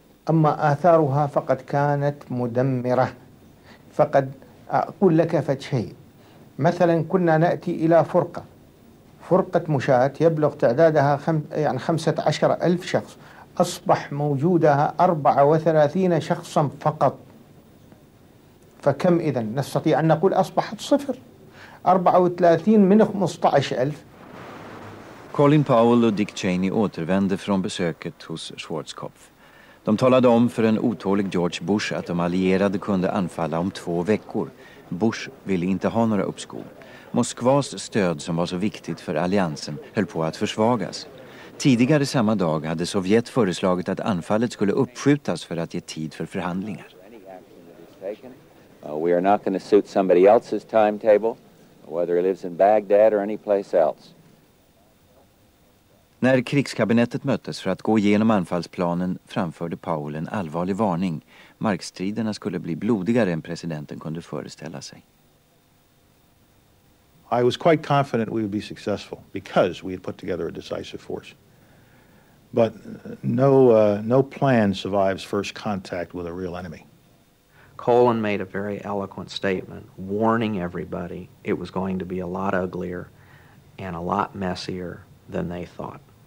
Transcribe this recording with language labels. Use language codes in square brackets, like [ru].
[ar] اما اثارها فقد كانت مدمره فقد اقول لك فشيء مثلا كنا ناتي الى فرقه مشاه يبلغ تعدادها 15,000 شخص اصبح موجودها 34 شخصا فقط فكم اذا نستطيع ان نقول اصبحت صفر 34 من 15,000. [sv] Colin Powell och Dick Cheney återvände från besöket hos Schwarzkopf. De talade om för en otålig George Bush att de allierade kunde anfalla om 2 veckor. Bush ville inte ha några uppskov. Moskvas stöd som var så viktigt för alliansen höll på att försvagas. Tidigare samma dag hade Sovjet föreslagit att anfallet skulle uppskjutas för att ge tid för förhandlingar. [en] We are not going to suit somebody else's timetable, whether he lives in Baghdad or any place else. [sv] När krigskabinettet möttes för att gå igenom anfallsplanen framförde Powell en allvarlig varning. Markstriderna skulle bli blodigare än presidenten kunde föreställa sig. [en] I was quite confident we would be successful because we had put together a decisive force. But no plan survives first contact with a real enemy. Colin made a very eloquent statement warning everybody it was going to be a lot uglier and a lot messier than they thought.